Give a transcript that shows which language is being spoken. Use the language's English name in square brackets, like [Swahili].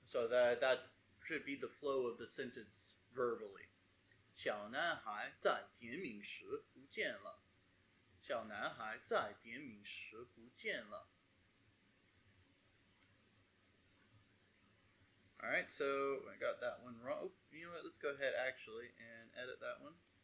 [English] So that should be the flow of the sentence verbally. [Chinese] 小男孩在点名时不见了。小男孩在点名时不见了。 [English] All right, so I got that one wrong. Oh, you know what? Let's go ahead actually and edit that one.